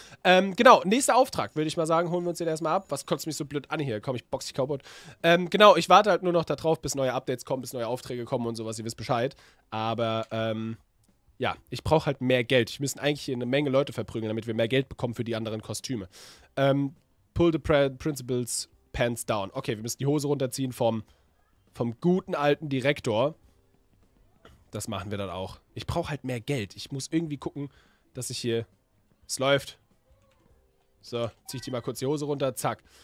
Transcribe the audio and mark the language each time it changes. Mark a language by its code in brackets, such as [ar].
[de] Genau, nächster Auftrag, würde ich mal sagen. Holen wir uns den erstmal ab. Was kotzt mich so blöd an hier? Komm, ich box dich kaputt. Genau, ich warte halt nur noch darauf, bis neue Updates kommen, bis neue Aufträge kommen und sowas. Ihr wisst Bescheid. Aber, ja, ich brauche halt mehr Geld. Ich müsste eigentlich hier eine Menge Leute verprügeln, damit wir mehr Geld bekommen für die anderen Kostüme. [en] Pull the principal's pants down. [de] Okay, wir müssen die Hose runterziehen vom guten alten Direktor. Das machen wir dann auch. Ich brauche halt mehr Geld. Ich muss irgendwie gucken, dass ich hier... Es läuft. So, zieh ich dir mal kurz die Hose runter. Zack.